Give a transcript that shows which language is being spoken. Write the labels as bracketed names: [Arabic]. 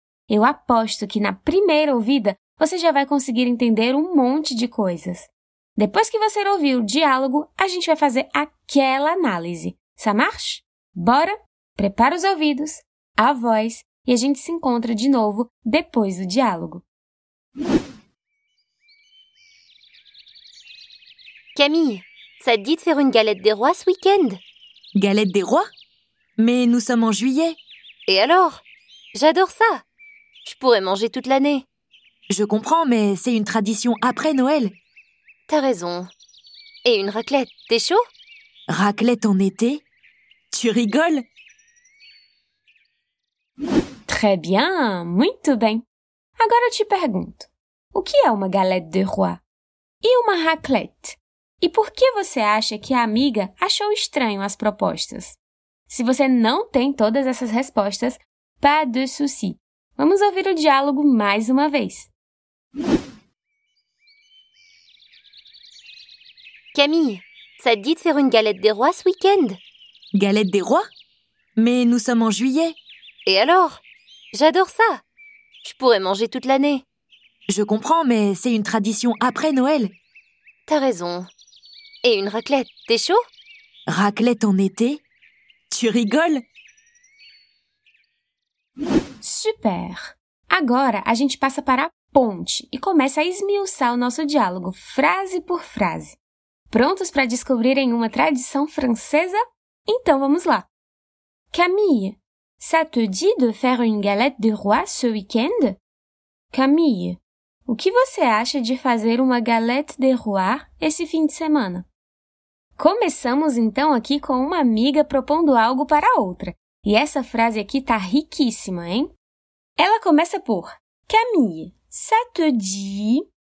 [Portuguese] Eu aposto que, na primeira ouvida, você já vai conseguir entender um monte de coisas. Depois que você ouvir o diálogo, a gente vai fazer aquela análise. [French] Ça marche? [Portuguese] Bora? Prepara os ouvidos, a voz, e a gente se encontra de novo depois do diálogo. [French] Camille, ça te dit de faire une galette des rois ce week-end? Galette des rois? Mais nous sommes en juillet. Et alors? J'adore ça. Je pourrais manger toute l'année. Je comprends, mais c'est une tradition après Noël. T'as raison. Et une raclette, t'es chaud? Raclette en été? Tu rigoles? Très bien, [Portuguese] muito bem. Agora eu te pergunto, o que é uma galette des rois? E uma raclette? E por que você acha que a amiga achou estranho as propostas? Se você não tem todas essas respostas, [French] pas de souci. [Portuguese] Vamos ouvir o diálogo mais uma vez. [French] Camille, ça te dit de faire une galette des rois ce week-end? Galette des rois? Mais nous sommes en juillet. Et alors? J'adore ça. Je pourrais manger toute l'année. Je comprends, mais c'est une tradition après Noël. T'as raison. Et une raclette, t'es chaud? Raclette en été? Tu rigoles? Super! [Portuguese] Agora, a gente passa para a ponte e começa a esmiuçar o nosso diálogo, frase por frase. Prontos para descobrirem uma tradição francesa? Então vamos lá. [French] Camille, ça te dit de faire une galette des rois ce week-end? [Portuguese] Camille, o que você acha de fazer uma galette des rois esse fim de semana? Começamos então aqui com uma amiga propondo algo para outra. E essa frase aqui está riquíssima, hein? Ela começa por Camille, [French] ça te dit...